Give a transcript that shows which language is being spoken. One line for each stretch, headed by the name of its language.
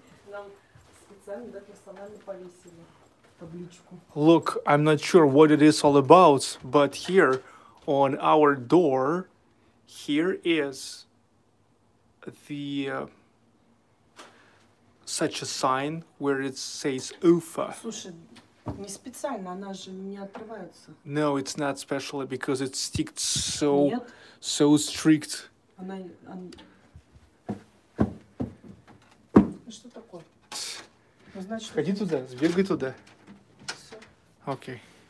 Russian: Нам специально, да, персонально повесили табличку.
English: Look, I'm not sure what it is all about, but here on our door, here is the such a sign where it says UFA.
Russian: Слушай, не специально, она же не отрывается.
English: No, it's not specially because it sticks so.
Russian: Нет.
English: So strict.
Russian: Она. Что такое? Значит, ходи туда, сбегай туда. Okay.